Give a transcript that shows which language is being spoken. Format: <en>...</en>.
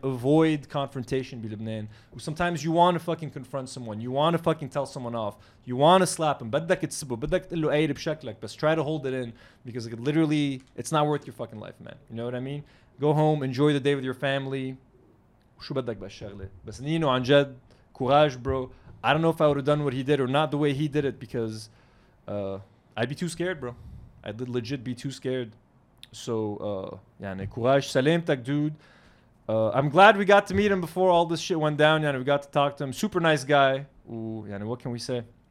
<en>Avoid confrontation, Lebanon. Sometimes you want to fucking confront someone. You want to fucking tell someone off. You want to slap him.</en> <ar>بدك تسبه. بدك تقول له أي بشكل لك.</ar> <en>But try to hold it in, because like, literally, it's not worth your fucking life, man. You know what I mean? Go home, enjoy the day with your family.</en> <ar>شو بدك بالشغلة؟ بس نينو عن جد, courage, bro.</ar> <en>I don't know if I would have done what he did or not the way he did it, because I'd be too scared, bro. I'd legit be too scared. So, yani courage, salamtak, dude. I'm glad we got to meet him before all this shit went down. Yani we got to talk to him. Super nice guy. Ooh, yani what can we say?</en>